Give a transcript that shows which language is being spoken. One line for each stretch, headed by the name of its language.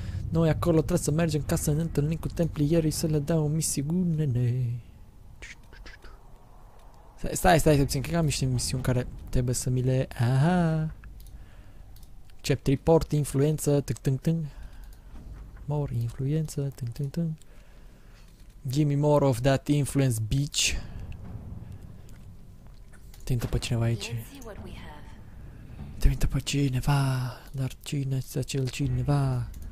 Romanian: Noi acolo trebuie să mergem ca să ne întâlnim cu templierii să le dau o misiune. Stai, puțin, că am niște misiuni care trebuie să mi le... Aha!
English: Accept report, influență, tâng tâng tâng. More influență, tâng tâng tâng. Give me more of that influence, bitch.
Romanian: Tintă pe cineva aici. Tintă pe cineva, dar cine este acel cineva?